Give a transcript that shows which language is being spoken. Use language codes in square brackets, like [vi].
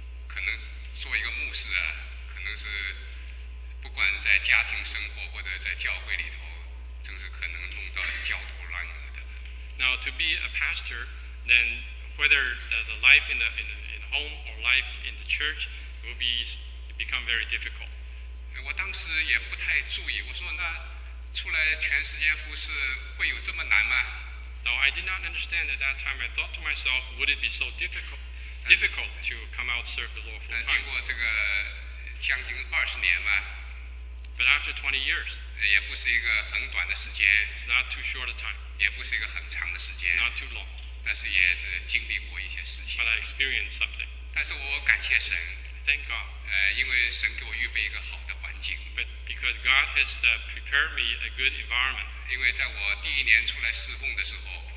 [zh] 可能做一个牧师啊，可能是不管在家庭生活或者在教会里头，真是可能弄到焦头烂额的。 [en] Now to be a pastor, then whether the life in the home or life in the church will become very difficult. [zh] 我当时也不太注意，我说那出来全时间服侍会有这么难吗？ [en] Now I did not understand at that time. I thought to myself, would it be so difficult to come out serve the Lord full time? [zh] 经过这个将近二十年嘛。 [en] But after 20 years, [zh] 也不是一个很短的时间， [en] it's not too short a time. [zh] 也不是一个很长的时间， [en] not too long. [zh] 但是也是经历过一些事情。 [en] But I experienced something. [zh] 但是我感谢神， [en] thank God. [zh] 因为神给我预备一个好的环境。 [en] But because God has prepared me a good environment. [zh] 因为在我第一年出来侍奉的时候，